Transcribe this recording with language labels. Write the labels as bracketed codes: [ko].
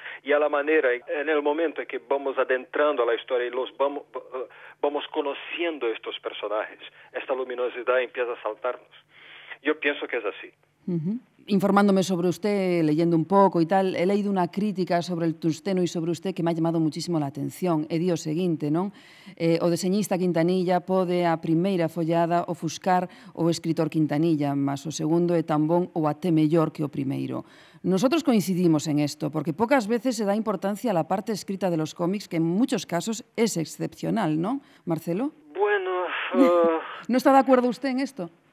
[es] Y a la manera, en el momento en que vamos adentrando a la historia y vamos conociendo estos personajes, esta luminosidad empieza a saltarnos. Yo pienso que es así. Uh-huh. Informándome sobre usted, leyendo un poco y tal, he leído una crítica sobre el Tungsteno y sobre usted que me ha llamado muchísimo la atención. [gl] E di o seguinte, non? O deseñista Quintanilla pode a primeira follada ofuscar o escritor Quintanilla, mas o segundo é tan bon ou até mellor que o primeiro. [es] Nosotros coincidimos en esto, porque pocas veces se da importancia a la parte escrita de los cómics, que en muchos casos es excepcional, ¿no, Marcelo? Bueno... ¿No está de acuerdo usted en esto?